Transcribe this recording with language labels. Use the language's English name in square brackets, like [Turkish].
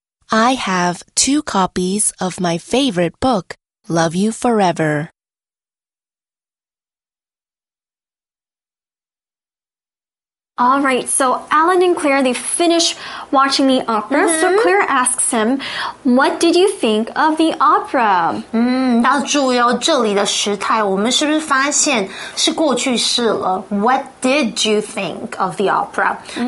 [English] I have two copies of my favorite book, Love You Forever. All right, so Alan and Claire, they finish watching the opera.、Mm-hmm. So Claire asks him, what did you think of the opera? [Chinese] 那注意哦，这里的时态我们是不是发现是过去式了？ [English] What did you think of the opera?、Mm-hmm.